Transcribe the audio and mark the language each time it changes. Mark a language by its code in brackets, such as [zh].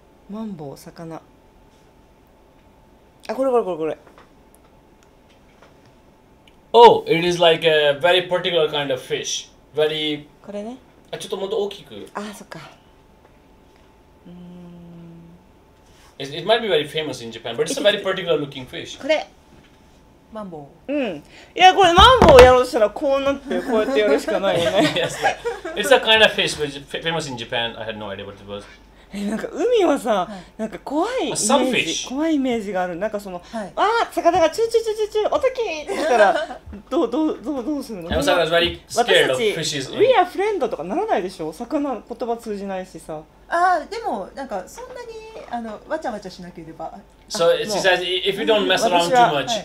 [ja] マンボウ魚。あ、これこれこれこれ。 [en] Oh, it is like a very particular kind of fish. Very... [ja] これね。あ、ちょっともっと大きく。あ、そっか。 [en] It might be very famous in Japan, but it's a very particular looking fish. [ja] これ。マンボウ。うん。いや、これマンボウやろうとしたらこうなって、こうやってやるしかないよね。 [en] Yes, like, it's a kind of fish, but it's famous in Japan. I had no idea what it was. [ja] なんか海はさ、はい、なんか怖いイメージ、怖いイメージがある。なんかその、はい、あ、魚がチューチューチューチューチュー、おときって言ったらどうするの？私たち、 [en] We are friend [ja] とかならないでしょ？魚言葉通じないしさ。あ、でもなんかそんなにあのわちゃわちゃしなければ。 [en] So she says if you don't mess around too much,